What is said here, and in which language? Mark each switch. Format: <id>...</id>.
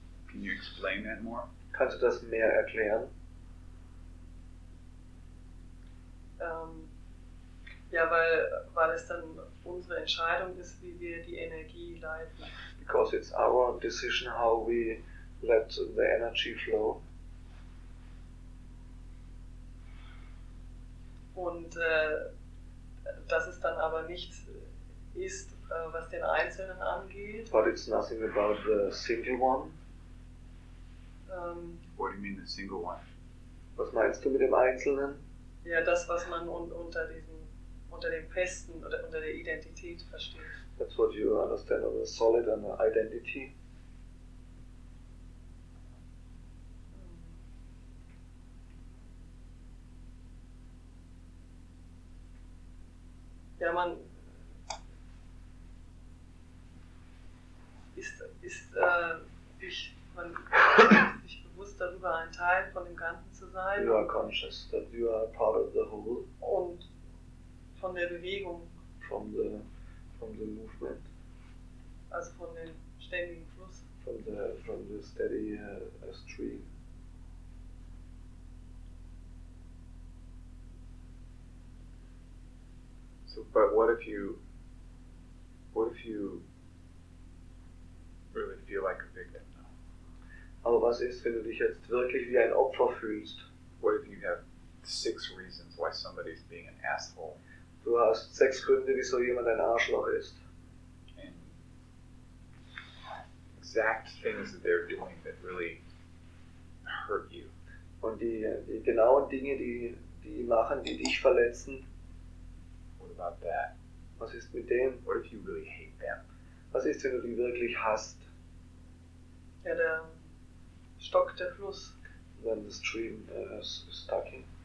<en>Can you explain that more?</en> <de>Kannst du das mehr erklären? Ja, weil es dann unsere Entscheidung ist, wie wir die Energie leiten.</de> <en>Because it's our decision how we let the energy flow.</en> <de>Und dass es dann aber nichts ist, was den Einzelnen angeht.</de> <en>But it's nothing about the single one. What do you mean the single one?</en> <de>Was meinst du mit dem Einzelnen? Ja, das, was man unter dem Festen oder unter der Identität versteht.</de> <en>That's what you understand as a solid and an identity.</en> <de>Ja, man ist sich bewusst darüber, ein Teil von dem Ganzen zu sein.</de> <en>You are conscious that you are part of the whole.</en> <de>Und von der Bewegung.</de> <en>From the movement.</en> <de>Also von dem ständigen Fluss.</de> <en>From the steady stream. So, but what if you really feel like a victim now?</en> <de>Aber was ist, wenn du dich jetzt wirklich wie ein Opfer fühlst?</de> <en>What if you have 6 reasons why somebody's being an asshole?</en> <de>Du hast 6 Gründe, wieso jemand ein Arschloch ist.</de> <en>And exact things that they're doing that really hurt you.</en> <de>Und die genauen Dinge, die machen, die dich verletzen.</de> <en>What about that?</en> <de>Was ist mit dem?</de> <en>What if you really hate them?</en> <de>Was ist, wenn du die wirklich hasst? Ja, der Stock, der Fluss.</de> <en>Then the stream is stuck in.</en>